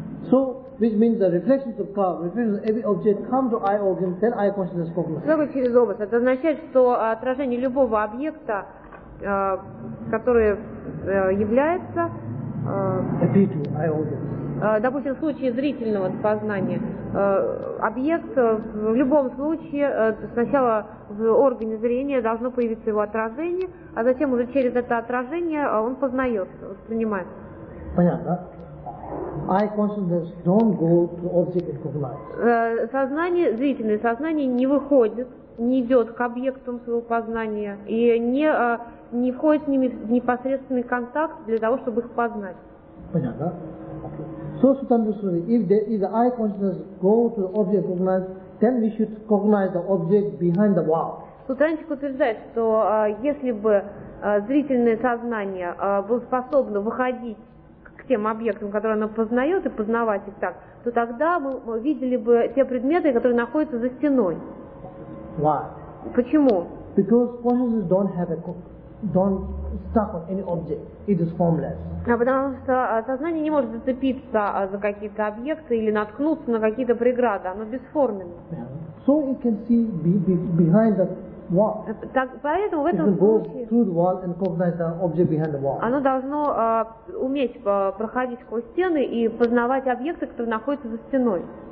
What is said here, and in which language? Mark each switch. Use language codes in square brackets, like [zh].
[en] So, which means the reflections of power, reflections of every object come to eye organ, then eye consciousness cognizes. [ru] Слово через образ. Это означает, что отражение любого объекта, который является, [en] appear to eye organ. [ru] Допустим, в случае зрительного познания, объект в любом случае сначала в органе зрения должно появиться его отражение, а затем уже через это отражение он познает, воспринимает. Понятно. [en] Eye consciousness don't go to object and cognize. [ru] Сознание, зрительное сознание не выходит, не идет к объектам своего познания и не входит с ними в непосредственный контакт для того, чтобы их познать. Понятно. [en] So, Sutta Swami, if the eye consciousness go to the object cognized, then we should cognize the object behind the wall. [ru] Сутранчик утверждает, что если бы зрительное сознание было способно выходить к тем объектам, которые оно познает, и познавать их так, то тогда мы видели бы те предметы, которые находятся за стеной. [en] Why? [ru] Почему? [en] Because consciousness don't stuck on any object. It is formless. [ru] А потому что сознание не может зацепиться за какие-то объекты или наткнуться на какие-то преграды. Оно бесформенно. [en] Yeah. So it can see behind the wall. [ru] Так, поэтому в этом [en] it [ru] случае. [en] It can go through the wall and cognize the object behind the wall. [ru] Оно должно уметь проходить сквозь стены и познавать объекты, которые находятся за стеной.